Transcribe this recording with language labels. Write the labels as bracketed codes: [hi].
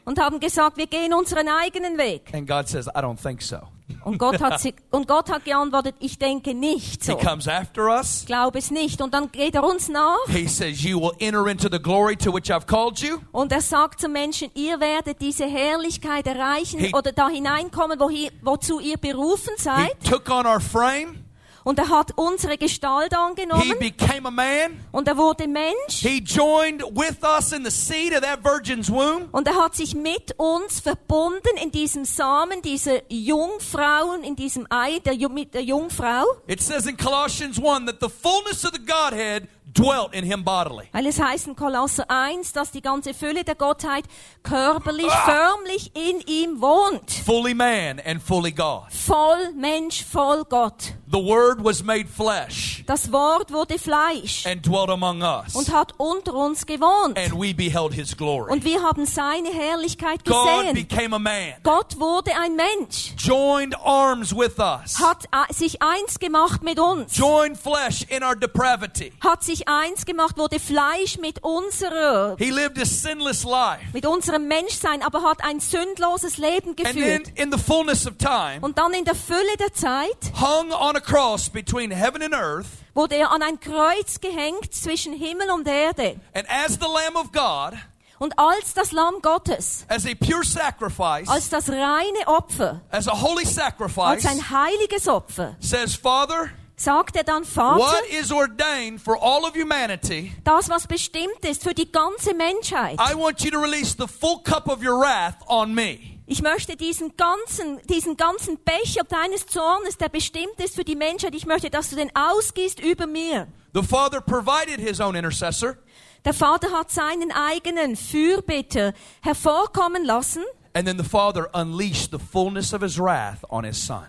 [de] und haben gesagt, wir gehen unseren eigenen Weg. [en] And God says, I don't think so. [de] Und Gott hat geantwortet, ich denke nicht so. [en] He comes after us. [de] Glaub es nicht. Und dann geht uns nach. [en] He says, you will enter into the glory to which I've called you. [de] Und sagt zu Menschen, ihr werdet diese Herrlichkeit erreichen oder da hineinkommen, wozu ihr berufen seid. [en] He took on our frame. [de] Und hat unsere Gestalt angenommen. [en] He became a man. [de] Und wurde Mensch. [en] He joined with us in the seed of that virgin's womb. [de] Und hat sich mit uns verbunden in diesem Samen, dieser Jungfrau, in diesem Ei, mit der Jungfrau. [en] It says in Colossians 1 that the fullness of the Godhead dwelt in him bodily. [de] Weil es heißt in Kolosser 1, dass die ganze Fülle der Gottheit körperlich, förmlich in ihm wohnt. [en] Fully man and fully God. [de] Voll Mensch, voll Gott. [en] The Word was made flesh. [de] Das Wort wurde Fleisch. [en] And dwelt among us. [de] Und hat unter uns gewohnt. [en] And we beheld his glory. [de] Und wir haben seine Herrlichkeit gesehen. [en] God became a man. [de] Gott wurde ein Mensch. [en] Joined arms with us. [de] Hat sich eins gemacht mit uns. [en] Joined flesh in our depravity. [de] Hat sich eins gemacht, wurde Fleisch mit unserer. [en] He lived a sinless life. [de] Mit unserem Menschsein, aber hat ein sündloses Leben geführt. [en] And then in the fullness of time. [de] Und dann in der Fülle der Zeit. [en] Hung on a cross between heaven and earth, [de] wurde er an ein Kreuz gehängt zwischen Himmel und Erde. [en] And as the Lamb of God, [de] und als das Lamm Gottes, [en] as a pure sacrifice, [de] als das reine Opfer, [en] as a holy sacrifice, [de] als ein heiliges Opfer, [en] says Father, [de] sagt er dann, Vater, [en] what is ordained for all of humanity, [de] das, was bestimmt ist für die ganze Menschheit, [en] I want you to release the full cup of your wrath on me. [de] Ich möchte diesen ganzen Becher deines Zornes, der bestimmt ist für die Menschheit, ich möchte, dass du den ausgießt über mir. [en] The Father provided his own intercessor. [de] Der Vater hat seinen eigenen Fürbitter hervorkommen lassen. [en] And then the Father unleashed the fullness of his wrath on his Son.